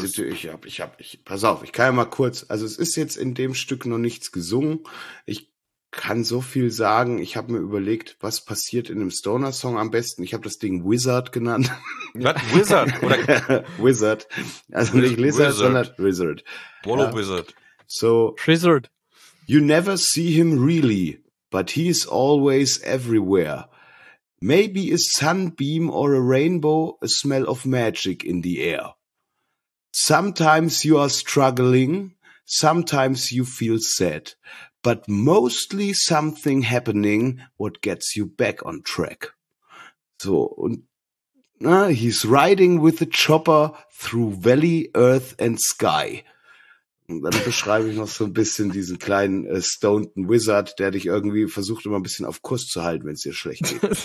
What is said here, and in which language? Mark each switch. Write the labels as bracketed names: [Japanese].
[German] Ja, pass auf, ich kann ja mal kurz. Also es ist jetzt in dem Stück noch nichts gesungen. Ich kann so viel sagen. Ich habe mir überlegt, was passiert in einem Stoner-Song am besten. Ich habe das Ding Wizard genannt. Was? Wizard? Wizard. Also nicht Lizard, sondern Wizard. Wallow Wizard. So. Wizard. [English] You never see him really. But he's always everywhere. Maybe a sunbeam or a rainbow, a smell of magic in the air. Sometimes you are struggling, sometimes you feel sad, but mostly something happening, what gets you back on track. [German] So, und [English] he's riding with a chopper through valley, earth and sky. [German] Und dann beschreibe ich noch so ein bisschen diesen kleinen stoneden Wizard, der dich irgendwie versucht, immer ein bisschen auf Kurs zu halten, wenn es dir schlecht geht.